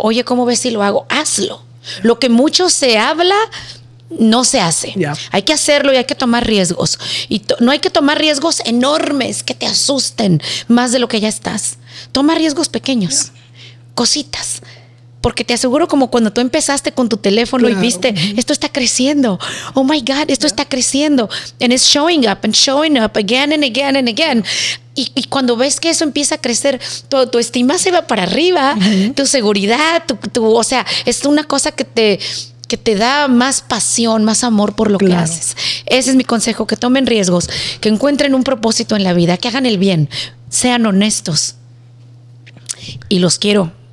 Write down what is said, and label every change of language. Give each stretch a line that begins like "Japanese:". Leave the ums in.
Spanish: Oye, ¿cómo ves si lo hago? Hazlo. Lo que mucho se habla... No se hace. Sí. Hay que hacerlo y hay que tomar riesgos. Y to- no hay que tomar riesgos enormes que te asusten más de lo que ya estás toma riesgos pequeños, yeah. cositas. Porque te aseguro como cuando tú empezaste con tu teléfono claro, y viste, uh-huh. esto está creciendo.
English: Oh my God,
Spanish: esto yeah. está creciendo.
English: And it's showing up and showing up again and again and again.
Spanish: Y, y cuando ves que eso empieza a crecer, tu, tu estima se va para arriba, uh-huh. tu seguridad, tu, tu, o sea, es una cosa que te, que te da más pasión, más amor por lo claro. que haces. Ese es mi consejo, que tomen riesgos, que encuentren un propósito en la vida, que hagan el bien, sean honestos y los quiero.